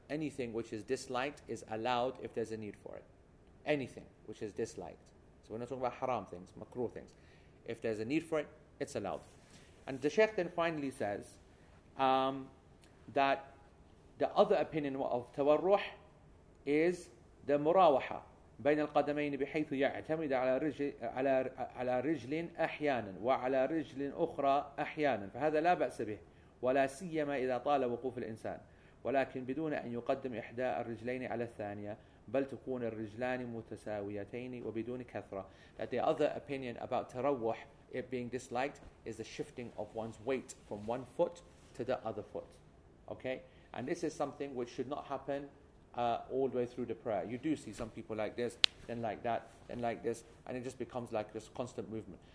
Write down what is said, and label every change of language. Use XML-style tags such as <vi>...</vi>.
<en>Anything which is disliked is allowed if there's a need for it. Anything which is disliked. So we're not talking about haram things, makruh things. If there's a need for it, it's allowed. And the Sheikh then finally says that the other opinion of</en> <ar>تورح is the مراوحة بين القدمين بحيث يعتمد على رجل أحيانا وعلى رجل أخرى أحيانا فهذا لا بأس به ولا سيما إذا طال وقوف الإنسان ولكن بدون أن يقدم إحدى الرجلين على الثانية بل تكون الرجلان متساويتين وبدون كثرة.</ar> <en>That the other opinion about تروح, it being disliked, is the shifting of one's weight from one foot to the other foot. Okay? And this is something which should not happen all the way through the prayer. You do see some people like this, then like that, then like this, and it just becomes like this constant movement.</en>